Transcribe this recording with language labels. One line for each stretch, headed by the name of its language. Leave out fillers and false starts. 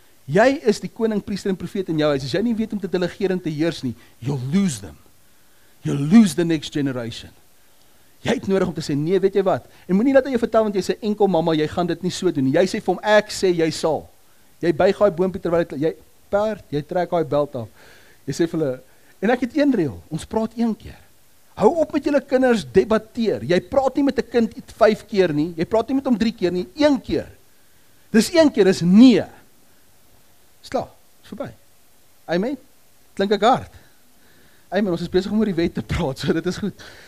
Afrikaans: Jy is die koning, priester en profeet in jou huis. As jy nie weet om te delegeer en te heers nie,
English: you'll lose them. You'll lose the next generation.
Afrikaans: Jy het nodig om te sê, nee, weet jy wat? En moenie laat hy jou vertel, want jy sê, enkel mama, jy gaan dit nie so doen. Jy sê vir hom, ek sê, jy sal. Jy buig hy boompie terwyl jy perd, jy trek hy belt af. Jy sê vir hulle, en ek het een reël, ons praat een keer. Hou op met julle kinders debatteer. Jy praat nie met 'n kind 5 keer nie. Jy praat nie met hom 3 keer nie. 1 keer. Dis 1 keer, dis nee. Dis klaar. Dis verby. Amen. Klink ek hard? Amen, ons is besig om oor die wet te praat, so dit is goed.